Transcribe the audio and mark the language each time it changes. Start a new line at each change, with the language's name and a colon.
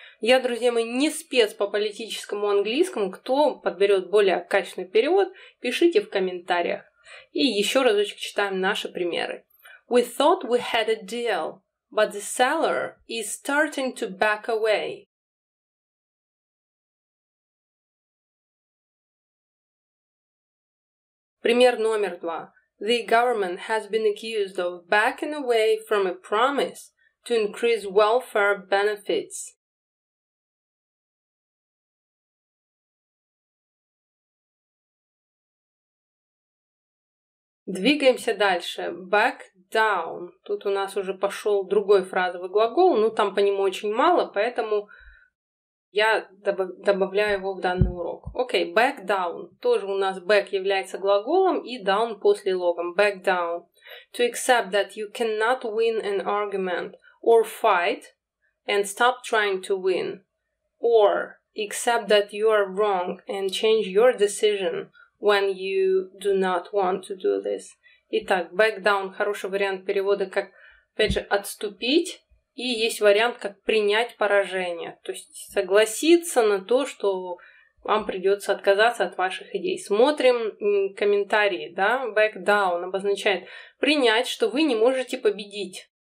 Russian: Я, друзья мои, не спец по политическому английскому. Кто подберет более качественный перевод, пишите в комментариях. И еще разочек читаем наши примеры.
English: We thought we had a deal, but the seller is starting to back away.
Russian: Пример номер два.
English: The government has been accused of backing away from a promise to increase welfare benefits.
Russian: Двигаемся дальше. Back down. Тут у нас уже пошел другой фразовый глагол, но там по нему очень мало, поэтому я добавляю его в данный урок.
English: Окей, back down.
Russian: Тоже у нас back является глаголом и down после логом.
English: Back down. To accept that you cannot win an argument or fight and stop trying to win. Or accept that you are wrong and change your decision when you do not want to do this.
Russian: Итак, back down – хороший вариант перевода как, опять же, отступить. И есть вариант как принять поражение. То есть согласиться на то, что вам придется отказаться от ваших идей. Смотрим комментарии, да? Back down обозначает принять, что вы не можете победить.